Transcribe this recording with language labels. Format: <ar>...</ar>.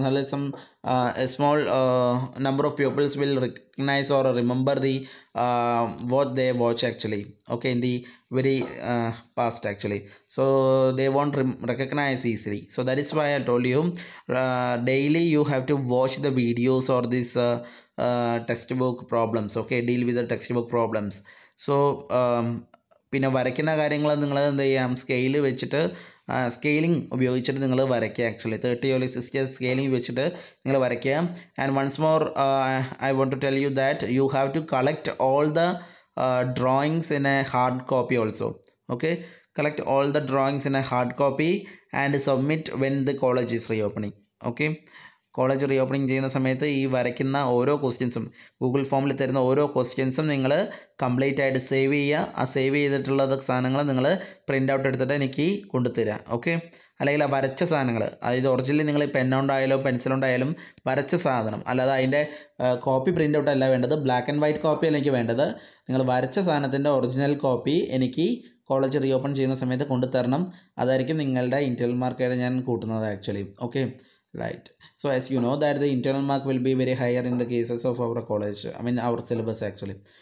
<en>Some small number of pupils will recognize or remember the what they watch actually, okay, in the very past actually. So they won't recognize easily. So that is why I told you, daily you have to watch the videos or this textbook problems, okay, deal with the textbook problems.</en> <ml>So പിന്നെ വരയ്ക്കുന്ന കാര്യങ്ങൾ നിങ്ങൾ എന്ത് ചെയ്യാം, scale വെച്ചിട്ട് scaling ഉപയോഗിച്ചിട്ട് നിങ്ങൾ വരയ്ക്കുക ആക്ച്വലി. 30 or 60 സ്കെയിലിംഗ് വെച്ചിട്ട് നിങ്ങൾ വരയ്ക്കുക.</ml> <en>And once more I want to tell you that you have to collect all the drawings in a hard copy also. Okay, collect all the drawings in a hard copy and submit when the college is reopening.</en> <ml>Okay, college re opening ചെയ്യുന്ന സമയത്ത് ഈ വരയ്ക്കുന്ന ഓരോ ക്വസ്റ്റ്യൻസും, Google ഫോമിൽ തരുന്ന ഓരോ ക്വസ്റ്റ്യൻസും നിങ്ങൾ കംപ്ലീറ്റ് ആയിട്ട് സേവ് ചെയ്യുക. ആ സേവ് ചെയ്തിട്ടുള്ളത് സാധനങ്ങൾ നിങ്ങൾ പ്രിൻ്റ് ഔട്ട് എടുത്തിട്ട് എനിക്ക് കൊണ്ടുതരിക. ഓക്കെ, അല്ലെങ്കിൽ ആ വരച്ച സാധനങ്ങൾ, അതായത് ഒറിജിനലി നിങ്ങൾ പെന്നുകൊണ്ടായാലും പെൻസിലുണ്ടായാലും വരച്ച സാധനം, അല്ലാതെ അതിൻ്റെ കോപ്പി പ്രിൻ്റ് ഔട്ട് അല്ല വേണ്ടത്, ബ്ലാക്ക് ആൻഡ് വൈറ്റ് കോപ്പിയല്ല എനിക്ക് വേണ്ടത്, നിങ്ങൾ വരച്ച സാധനത്തിൻ്റെ ഒറിജിനൽ കോപ്പി എനിക്ക് കോളേജ് റീ ഓപ്പൺ ചെയ്യുന്ന സമയത്ത് കൊണ്ടുതരണം. അതായിരിക്കും നിങ്ങളുടെ ഇൻറ്റർവൽ മാർക്കായിട്ട് ഞാൻ കൂട്ടുന്നത് actually.</ml> <en>Okay, right, so as you know that the internal mark will be very higher in the cases of our college, I mean our syllabus actually.</en>